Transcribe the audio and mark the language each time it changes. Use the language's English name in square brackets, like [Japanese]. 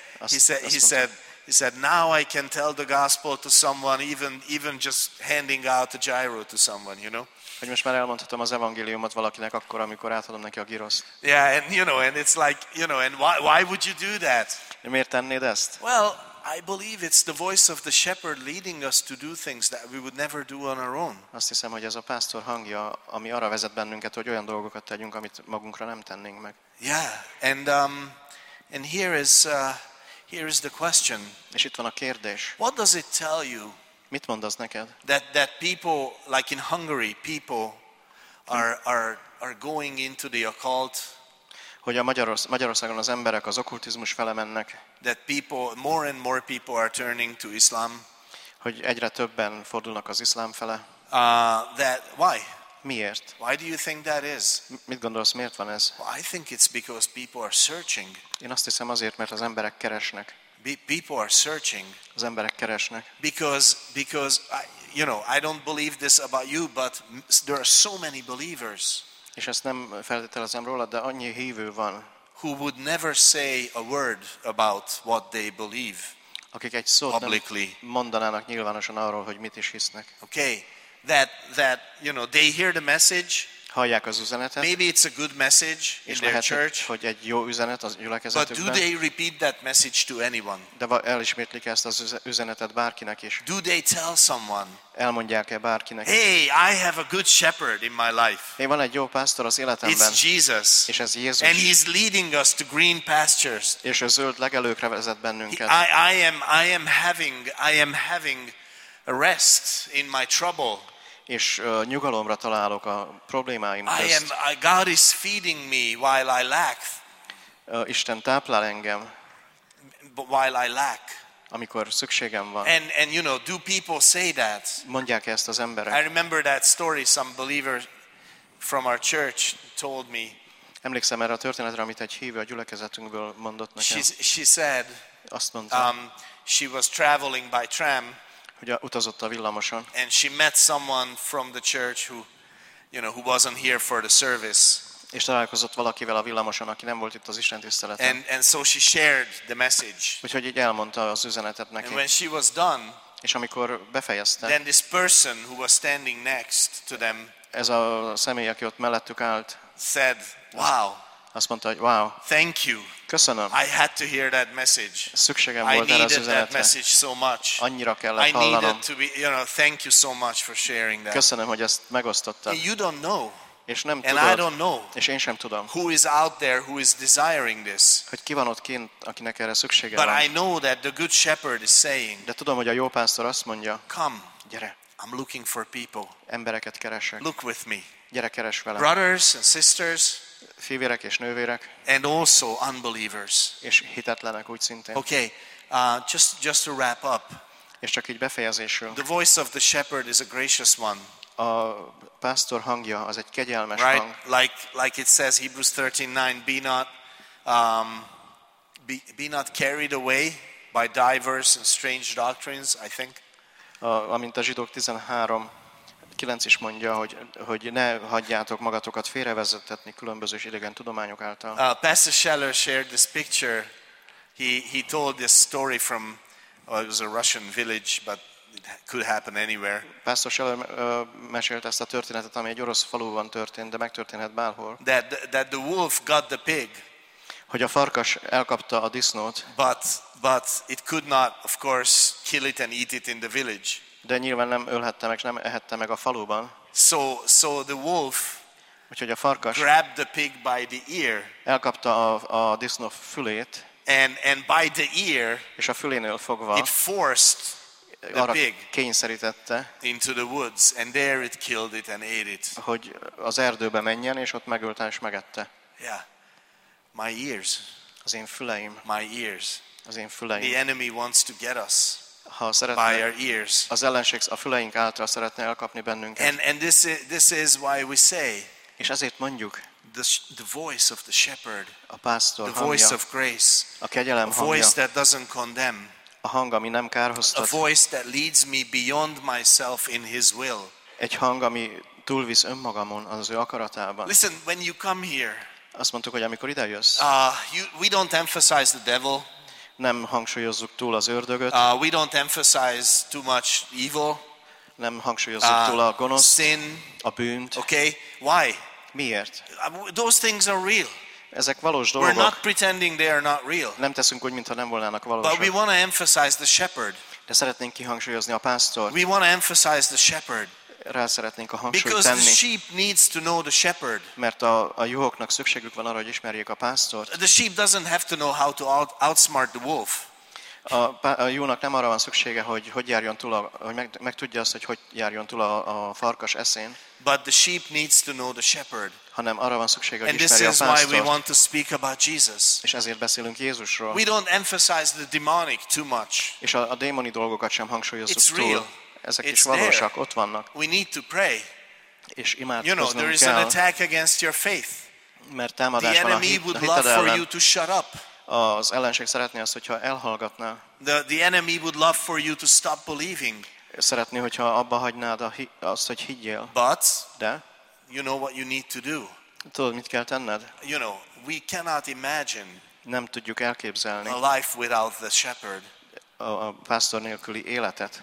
[English] He said now I can tell the gospel to someone even just handing out a gyro to someone, you know? [Hungarian] Hogy most már elmondhatom az evangéliumot valakinek akkor, amikor átadom neki a giroszt. [English] Yeah, and you know, and it's like, you know, and why would you do that? [Hungarian] Miért tennéd ezt? [English] Well, I believe it's the voice of the shepherd leading us to do things that we would never do on our own. [Hungarian] Azt hiszem, hogy ez a pásztor hangja, ami arra vezet bennünket, hogy olyan dolgokat tegyünk, amit magunkra nem tennénk meg. [English] Yeah, and here is the question. [Hungarian] És itt van a kérdés. [English] What does it tell you? [Hungarian] Mit mond az neked? [English] That people like in Hungary, people are going into the occult. [Hungarian] hogy a Magyarországon az emberek az okkultizmus fele mennek. [English] That people, more and more people are turning to Islam. [Hungarian] Hogy egyre többen fordulnak az iszlám fele. [English] That why? [Hungarian] Miért? [English] Why do you think that is? [Hungarian] Mit gondolsz, miért van ez? [English] Well, I think it's because people are searching. [Hungarian] Én azt hiszem azért, mert az emberek keresnek. [English] People are searching. [Hungarian] Az emberek keresnek. [English] Because you know, I don't believe this about you, but there are so many believers. [Hungarian] És ezt nem feltételezem róla, de annyi hívő van. [English] Who would never say a word about what they believe? [Hungarian] Akik egy szót [English] publicly [Hungarian] nem mondanának nyilvánosan arról, hogy mit is hisznek. [English] Okay, that you know, they hear the message. [Hungarian] Hallják az üzenetet. [English] Maybe it's a good message in their church. [Hungarian] Hogy egy jó üzenet az gyülekezetükben. [English] But do they repeat that message to anyone? [Hungarian] De elismétlik ezt az üzenetet bárkinek is? [English] Do they tell someone? [Hungarian] Elmondják-e bárkinek? [English] Hey, I have a good shepherd in my life. [Hungarian] Én van egy jó pásztor az életemben. [English] It's Jesus. [Hungarian] És ez Jézus. [English] And he's leading us to green pastures. [Hungarian] És a zöld legelőkre vezet bennünket. [English] I am having a rest in my trouble. [Hungarian] És nyugalomra találok a problémáim közt. [English] God is feeding me while I lack. [Hungarian] Isten táplál engem. [English] While I lack. [Hungarian] Amikor szükségem van. [English] And you know, do people say that? [Hungarian] Mondják ezt az emberek. [English] I remember that story some believer from our church told me. [Hungarian] Emlékszem erre a történetre, amit egy hívő a gyülekezetünkből mondott nekem. [English] She said, [Hungarian] azt mondta, [English] she was traveling by tram. [Hungarian] Hogy utazott a villamoson. [English] And she met someone from the church who, you know, who wasn't here for the service. [Hungarian] És találkozott valakivel a villamoson, aki nem volt itt az istentiszteleten. [English] And so she shared the message. [Hungarian] Úgyhogy így elmondta az üzenetet neki. [English] And when she was done, [Hungarian] és amikor befejezte, [English] then this person who was standing next to them, [Hungarian] ez a személy, aki ott mellettük állt, [English] said, wow. [Hungarian] Azt mondta, hogy wow. [English] Thank you. [Hungarian] Köszönöm. [English] I had to hear that message. [Hungarian] Szükségem volt erre az üzenetre. [English] I needed that message so much. [Hungarian] Annyira kellett hallanom. [English] I needed to be, you know, thank you so much for sharing that. [Hungarian] Köszönöm, hogy ezt megosztottad. [English] And you don't know. [Hungarian] És nem [English] and [Hungarian] tudod. [English] I don't know. [Hungarian] És én sem tudom. [English] Who is out there who is desiring this? [Hungarian] Hogy ki van ott kint, akinek erre szüksége van. [English] But I know that the good shepherd is saying. [Hungarian] De tudom, hogy a jó pásztor azt mondja. [English] Come. [Hungarian] Gyere. [English] I'm looking for people. [Hungarian] Embereket keresek. [English] Look with me. [Hungarian] Gyere, keres velem. [English] Brothers and sisters. [Hungarian] Fivérek és nővérek. [English] And also unbelievers. [Hungarian] És hitetlenek úgy szintén. [English] Okay, just to wrap up. [Hungarian] És csak így befejezésül. [English] The voice of the shepherd is a gracious one. [Hungarian] A pásztor hangja az egy kegyelmes [English] right? [Hungarian] hang. [English] Like it says Hebrews 13:9, be not carried away by divers and strange doctrines, I think. [Hungarian] Amint a Zsidók 13. 9 is mondja, hogy ne hagyjátok magatokat félrevezetni különböző idegen tudományok által. [English] Pastor Scheller shared this picture. He told this story from it was a Russian village, but it could happen anywhere. [Hungarian] Pastor Scheller mesélte ezt a történetet, ami egy orosz faluban történt, de megtörténhet bárhol. [English] That the wolf got the pig. [Hungarian] Hogy a farkas elkapta a disznót. [English] But it could not, of course, kill it and eat it in the village. [Hungarian] De nyilván nem ölhette meg, nem ehette meg a faluban. [English] So the wolf, [Hungarian] úgyhogy a farkas [English] grabbed the pig by the ear, [Hungarian] elkapta a disznó fülét, [English] and by the ear, [Hungarian] és a fülénél fogva, [English] it forced the pig [Hungarian] kényszerítette [English] into the woods, and there it killed it and ate it. [Hungarian] Hogy az erdőbe menjen, és ott megölte és megette. [English] Yeah, my ears, [Hungarian] az én füleim, [English] my ears, [Hungarian] az én füleim. [English] The enemy wants to get us. [Hungarian] Ha szeretne, az ellenség a füleink által szeretne elkapni bennünket. [English] And this is why we say, [Hungarian] és ezért mondjuk, [English] the voice of the shepherd, [Hungarian] a pásztor [English] the voice of grace, [Hungarian] a kegyelem hangja, [English] a voice that doesn't condemn, [Hungarian] a hang, ami nem kárhoztat, [English] a voice that leads me beyond myself in his will, [Hungarian] egy hang, ami túlvisz önmagamon az ő akaratában. [English] Listen, when you come here, [Hungarian] azt mondtuk, hogy amikor ide jössz, [English] we don't emphasize the devil. [Hungarian] Nem hangsúlyozzuk túl az ördögöt. [English] We don't emphasize too much evil. [Hungarian] Nem hangsúlyozzuk túl a gonoszt, [English] sin, [Hungarian] a bűnt. [English] Okay, why? [Hungarian] Miért? [English] Those things are real. [Hungarian] Ezek valós dolgok. [English] We're not pretending they are not real. [Hungarian] Nem teszünk úgy, mintha nem volnának valósak. [English] But we want to emphasize the shepherd. [Hungarian] De szeretnénk kihangsúlyozni a pásztort. [English] We want to emphasize the shepherd. [Hungarian] Rá szeretnénk a hangsúlyt tenni. [English] The sheep needs to know the shepherd. [Hungarian] Mert a juhoknak szükségük van arra, hogy ismerjék a pásztort. [English] The sheep doesn't have to know how to outsmart the wolf. [Hungarian] A juhnak nem arra van szüksége, hogy járjon túl, hogy meg tudja azt, hogy járjon túl a farkas eszén. [English] But the sheep needs to know the shepherd. [Hungarian] hanem arra van szüksége, hogy [English] and this is why we want to speak about Jesus. [Hungarian] És ezért beszélünk Jézusról. [English] We don't emphasize the demonic too much. [Hungarian] És a démoni dolgokat sem hangsúlyozzuk túl. [English] It's real. [Hungarian] Ezek is valósak, ott vannak. [English] We need to pray. [Hungarian] És imádkoznunk kell. [English] You know, there is an attack against your faith. [Hungarian] Mert támadás van a hited ellen. [English] The enemy would love for you to shut up. [Hungarian] Az ellenség szeretné azt, hogyha elhallgatná. [English] The enemy would love for you to stop believing. [Hungarian] Szeretné, hogyha abba hagynád azt, hogy higgyél. [English] But [Hungarian] de [English] you know what you need to do. [Hungarian] Tudod, mit kell tenned? [English] You know, we cannot imagine. [Hungarian] Nem tudjuk elképzelni. [English] A life without the shepherd. [Hungarian] A pásztor nélküli életet.